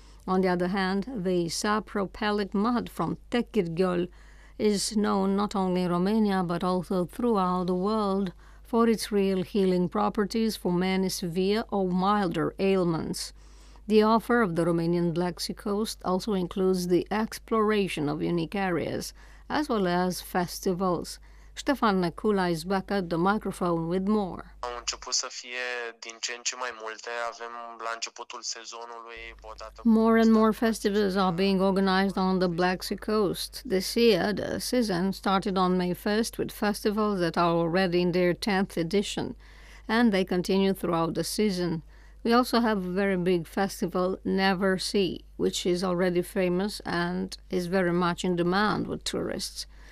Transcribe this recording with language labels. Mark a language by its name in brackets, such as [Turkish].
[English] On the other hand, the sapropelic mud from Tekirgiol is known not only in Romania but also throughout the world for its real healing properties for many severe or milder ailments. The offer of the Romanian Black Sea coast also includes the exploration of unique areas, as well as festivals. Ștefan Necula is back at the microphone with more. [Romanian] Au început să fie din ce în ce mai multe. Avem la începutul sezonului [English] more and more festivals are being organized on the Black Sea coast. This year, the season started on May 1st with festivals that are already in their 10th edition, and they continue throughout the season. We also have a very big festival, Never Sea, which is already famous and is very much in demand with tourists.